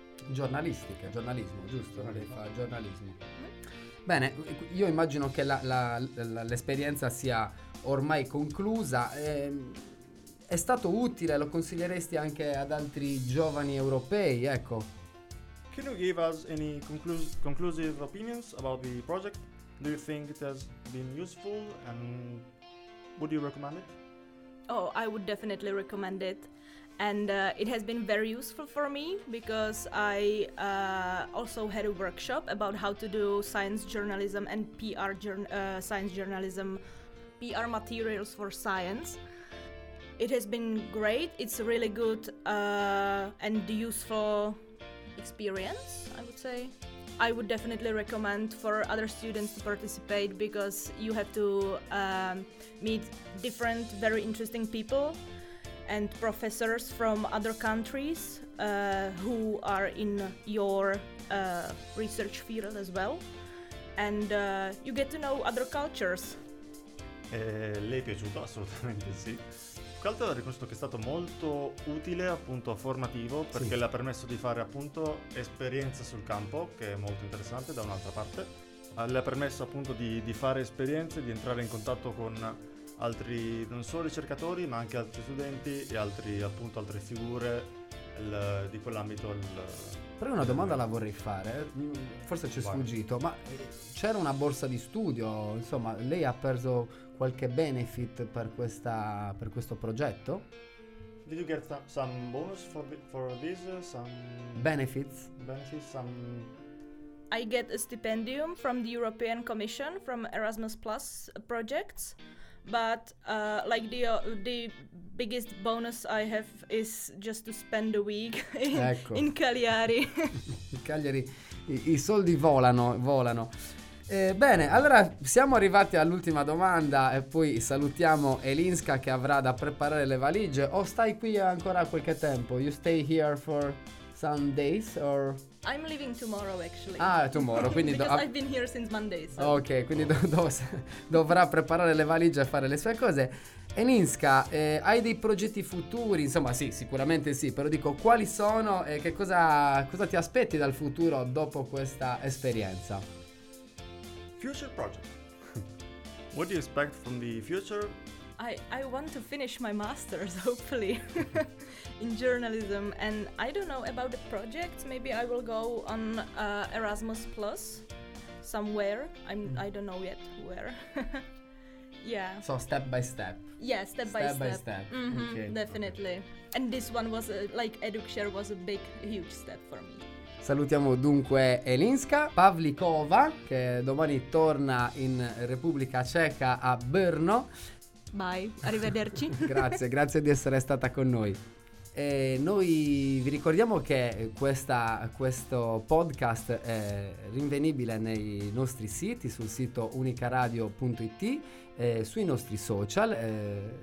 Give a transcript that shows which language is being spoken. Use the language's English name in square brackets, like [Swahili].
[Italian] giornalistiche, giornalismo, giusto? Giornalismo. Fa giornalismo. Bene, io immagino che l'esperienza sia ormai conclusa. È stato utile, lo consiglieresti anche ad altri giovani europei, ecco. [English] Can you give us any conclusive opinions about the project? Do you think it has been useful and would you recommend it? Oh, I would definitely recommend it. And it has been very useful for me because I also had a workshop about how to do science journalism and PR materials for science. It has been great. It's really good and useful experience, I would say. I would definitely recommend for other students to participate because you have to meet different, very interesting people and professors from other countries who are in your research field as well. And you get to know other cultures. [Italian] Le è piaciuto, assolutamente sì. Qualcosa da riconosco che è stato molto utile, appunto, formativo, perché sì, le ha permesso di fare, appunto, esperienza sul campo, che è molto interessante, da un'altra parte. Le ha permesso, appunto, di fare esperienze, di entrare in contatto con altri, non solo ricercatori, ma anche altri studenti e altri, appunto, altre figure di quell'ambito. Però una domanda la vorrei fare, forse ci è sfuggito, ma c'era una borsa di studio, insomma, lei ha perso qualche benefit per questo progetto? [English] Did you get some bonus for this, some benefits? Benefits, some... I get a stipendium from the European Commission from Erasmus Plus projects, but like the biggest bonus I have is just to spend a week in Cagliari. [Italian] In Cagliari i soldi volano. Bene, allora siamo arrivati all'ultima domanda e poi salutiamo Elinska che avrà da preparare le valigie. O stai qui ancora qualche tempo? [English] You stay here for some days or... I'm leaving tomorrow, actually. [Italian] Ah, tomorrow, quindi... [English] Because I've been here since Monday, so... [Italian] Ok, quindi dovrà preparare le valigie e fare le sue cose. Elinska, hai dei progetti futuri? Insomma, sì, sicuramente sì, però dico, quali sono e che cosa ti aspetti dal futuro dopo questa esperienza? [English] Future project. What do you expect from the future? I want to finish my master's, hopefully, in journalism. And I don't know about the project. Maybe I will go on Erasmus Plus somewhere. I don't know yet where. Yeah. So step by step. Yeah, step by step. Step by step. Mm-hmm, okay. Definitely. Okay. And this one was EducShare was a big, huge step for me. [Italian] Salutiamo dunque Elinska Pavlikova, che domani torna in Repubblica Ceca a Brno. Bye, arrivederci. grazie di essere stata con noi. E noi vi ricordiamo che questo podcast è rinvenibile nei nostri siti, sul sito unicaradio.it, sui nostri social.